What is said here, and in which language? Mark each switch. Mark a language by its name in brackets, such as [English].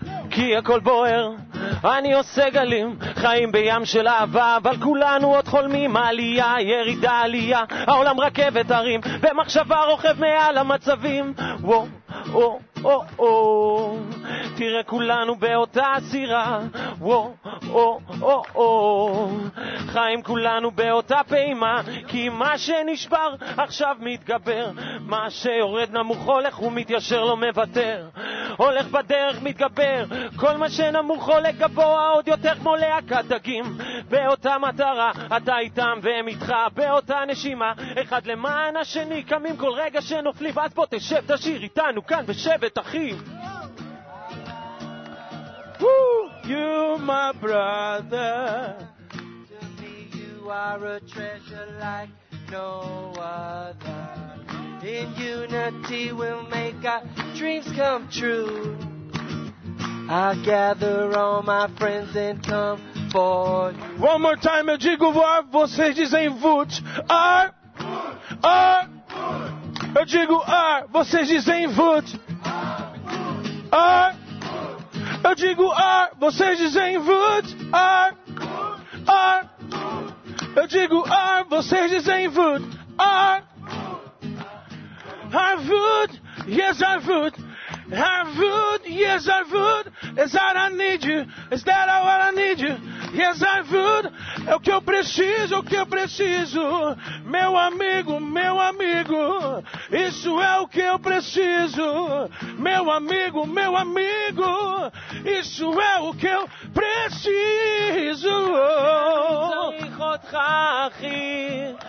[Hebrew] כי הכל בוער, אני עושה גלים, חיים בים של אהבה, אבל כולנו עוד חולמים, עלייה, ירידה, עלייה, העולם רכבת הרים, במחשבה רוכב מעל המצבים, וואו, וואו. Oh oh, תראה כולנו באותה סירה. Oh oh oh oh, חיים כולנו באותה פעימה. כי מה שנשבר עכשיו מתגבר. מה שיורד נמוך הולך ומתיישר לא מוותר. הולך בדרך מתגבר. כל מה שנמוך הולך גבוה עוד יותר כמו להקת דגים. באותה מטרה אתה איתם והם איתך. באותה נשימה אחד למען השני. קמים כל רגע שנופלים. אז בוא תשב תשיר איתנו כאן בשבט. [English] Woo! You, my brother. To me, you are a treasure like no other. In unity, we'll make our dreams come true. I'll gather all my friends and come for you. One more time, [Portuguese] eu digo ar, vocês dizem vut. Ar, ar. Eu digo ar, vocês dizem vut. Ar, eu digo ar, vocês dizem vut. Ar, ar, eu digo ar, vocês dizem vut. Ar, ar vut, yes ar vut. Ar vut, yes ar vut. [English] Is that I need you, is that what I need you. [Portuguese] Yes ar vut, é o que eu preciso, é o que eu preciso. Meu amigo, meu amigo, isso é o que eu preciso. Meu amigo, isso é o que eu preciso.